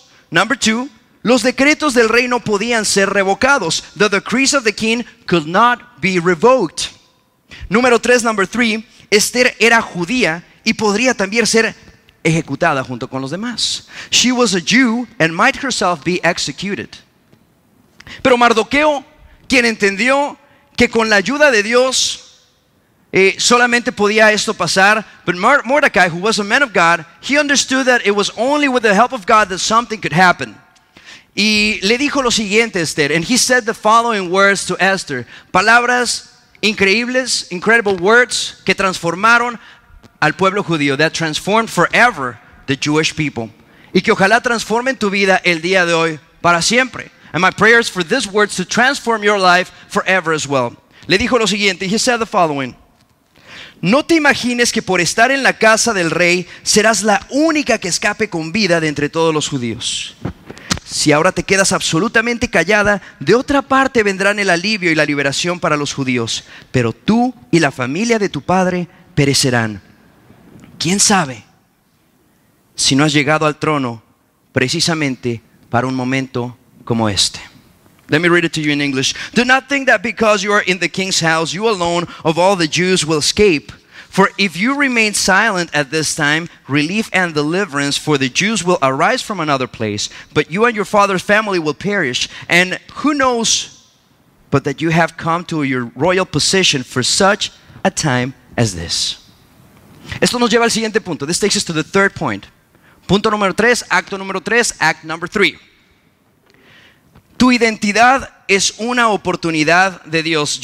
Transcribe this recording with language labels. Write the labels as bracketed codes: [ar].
[en] Number two, [es] los decretos del rey no podían ser revocados. [en] The decrees of the king could not be revoked. Number three, [es] Esther era judía y podría también ser ejecutada junto con los demás. [en] She was a Jew and might herself be executed. [es] Pero Mardoqueo, quien entendió que con la ayuda de Dios solamente podía esto pasar, [en] but Mordecai, who was a man of God, he understood that it was only with the help of God that something could happen. [es] Y le dijo lo siguiente a Esther, [en] and he said the following words to Esther. [es] Palabras increíbles, [en] incredible words [es] que transformaron al pueblo judío, [en] that transformed forever the Jewish people. [es] Y que ojalá transformen tu vida el día de hoy para siempre. [en] And my prayers for these words to transform your life forever as well. [es] Le dijo lo siguiente, [en] he said the following. [es] No te imagines que por estar en la casa del rey serás la única que escape con vida de entre todos los judíos. Si ahora te quedas absolutamente callada, de otra parte vendrán el alivio y la liberación para los judíos. Pero tú y la familia de tu padre perecerán. ¿Quién sabe si no has llegado al trono precisamente para un momento como este? [en] Let me read it to you in English. Do not think that because you are in the king's house, you alone of all the Jews will escape. For if you remain silent at this time, relief and deliverance for the Jews will arise from another place. But you and your father's family will perish. And who knows but that you have come to your royal position for such a time as this. [es] Esto nos lleva al siguiente punto. [en] This takes us to the third point. [es] Punto número tres, acto número tres, [en] act number three. [es] Tu identidad es una oportunidad de Dios.